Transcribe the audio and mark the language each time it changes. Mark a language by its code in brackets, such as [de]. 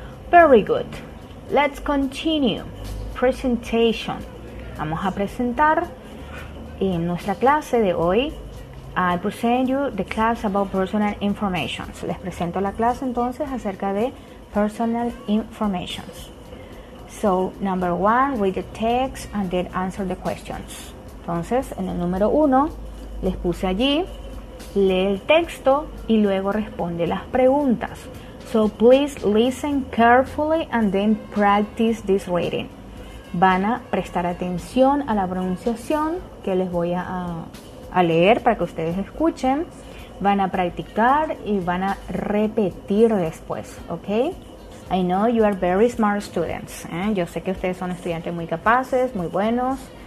[en] Very good. Let's continue. Presentation. [es] Vamos a presentar en nuestra clase de hoy. [en] I present you the class about personal information. [es] Les presento la clase entonces acerca de [en] personal information. So, number one, read the text and then answer the questions. [es] Entonces, en el número uno, les puse allí, lee el texto y luego responde las preguntas. [en] So please listen carefully and then practice this reading. [es] Van a prestar atención a la pronunciación que les voy a leer para que ustedes escuchen. Van a practicar y van a repetir después, ¿ok? [en] I know you are very smart students. [es] Yo sé que ustedes son estudiantes muy capaces, muy buenos.